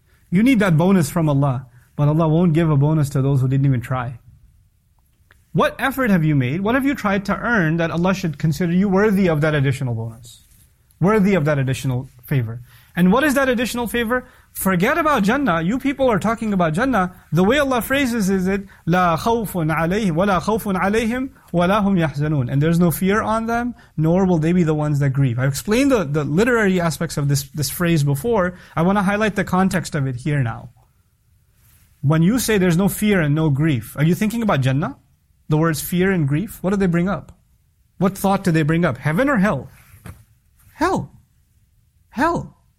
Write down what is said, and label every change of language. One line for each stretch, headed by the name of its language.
English: You need that bonus from Allah. But Allah won't give a bonus to those who didn't even try. What effort have you made? What have you tried to earn that Allah should consider you worthy of that additional bonus? Worthy of that additional favor? And what is that additional favor? Forget about Jannah. You people are talking about Jannah. The way Allah phrases is it,
Arabic: لا خوف عليهم ولا خوف عليهم ولا هم يحزنون.
English: And there's no fear on them, nor will they be the ones that grieve. I've explained the literary aspects of this phrase before. I want to highlight the context of it here now. When you say there's no fear and no grief, are you thinking about Jannah? The words fear and grief, what do they bring up? What thought do they bring up? Heaven or hell? Hell. Hell.